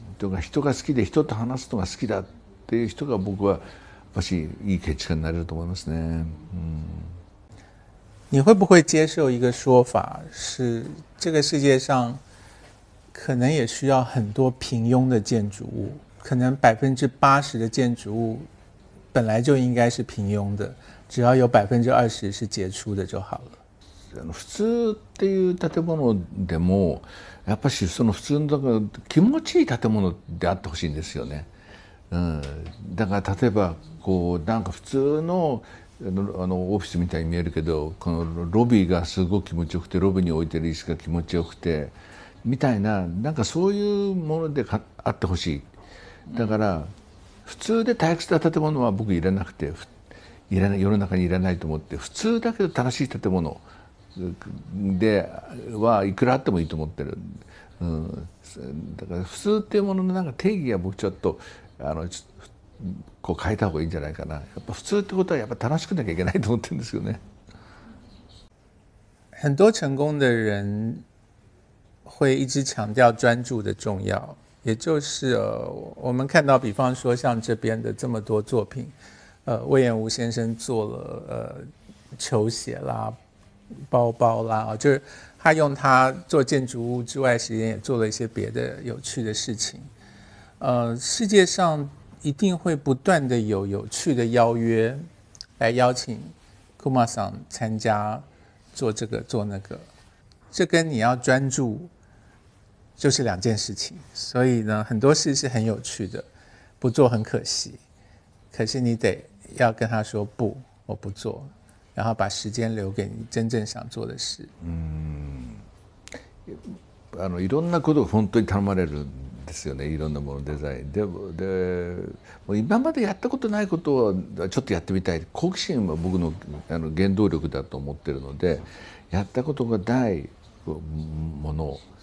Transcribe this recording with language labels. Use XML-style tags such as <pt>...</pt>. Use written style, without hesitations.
<ja>人が好きで、人と話すのが好きだっていう人が、僕はやっぱりいい建築家になれると思いますね。</ja> <zh>你会不会接受一个说法是这个世界上可能也需要很多平庸的建筑物？可能80%的建筑物本来就应该是平庸的，只要有20%是杰出的就好了。</zh> <ja>普通っていう建物でも、やっぱりその普通の気持ちいい建物であってほしいんですよね。うん、だから例えばこうなんか普通のオフィスみたいに見えるけど、このロビーがすごく気持ちよくて、ロビーに置いてる椅子が気持ちよくてみたいな、なんかそういうものであってほしい。だから普通で退屈な建物は僕いらなくて、いらない、世の中にいらないと思って、普通だけど楽しい建物ではいくらあってもいいと思ってる、うん、だから普通っていうもののなんか定義は僕ちょっとこう変えた方がいいんじゃないかな。やっぱ普通ってことはやっぱ楽しくなきゃいけないと思ってるんですよね。</ja> <zh>很多成功的人会一直强调专注的重要，也就是我们看到比方说像这边的这么多作品，魏彦吾先生做了球鞋啦，包包啦，就是他用他做建筑物之外时间也做了一些别的有趣的事情。世界上一定会不断的有趣的邀约来邀请 Kuma-san 参加做这个做那个，这跟你要专注就是两件事情，所以呢，很多事是很有趣的，不做很可惜。可是你得要跟他说不，我不做，然后把时间留给你真正想做的事。</zh> <ja>いろんなことを本当に頼まれるんですよね。いろんなものデザイン。で、もう今までやったことないことをちょっとやってみたい。好奇心は僕の原動力だと思ってるので、やったことがないもの。</ja>